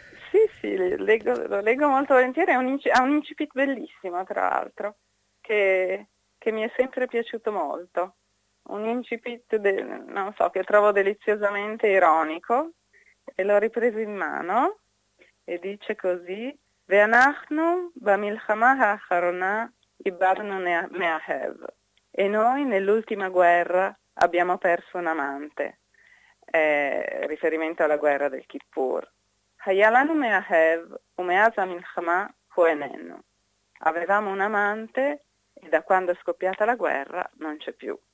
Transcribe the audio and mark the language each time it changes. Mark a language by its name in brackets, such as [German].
[Italian] Sì, sì, lo leggo molto volentieri, è un incipit bellissimo, tra l'altro, che mi è sempre piaciuto molto. Un incipit, non so, che trovo deliziosamente ironico, e l'ho ripreso in mano, e dice così: [Hebrew] ואנחנו במלחמה האחרונה איבדנו מאהב. [Italian] E noi nell'ultima guerra abbiamo perso un amante. Riferimento alla guerra del Kippur. [Hebrew] Hayalanu me'ahev u'me'az ha'milchama hu'enenu. [Italian] Avevamo un amante e da quando è scoppiata la guerra non c'è più.